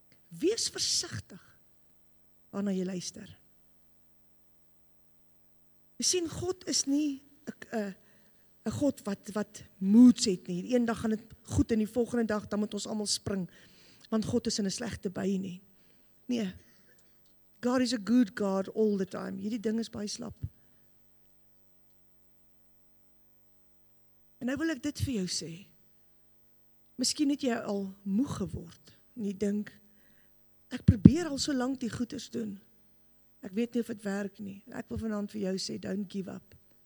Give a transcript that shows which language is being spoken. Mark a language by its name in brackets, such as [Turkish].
[Afrikaans] Wees versigtig waarna jy luister. Jy sien, God is nie 'n God wat moods het nie. Een dag gaan dit goed en die volgende dag dan moet ons allemaal spring, want God is in 'n slegte bui nie. [English] Nee, God is a good God all the time. [Afrikaans] Hierdie ding is baie slap. En nou wil ek dit vir jou sê. Miskien het jy al moeg geword. En jy dink, ek probeer al so lang die goeders doen. Ek weet nie of het werk nie. Ek wil vanavond vir jou sê, [English] don't give up.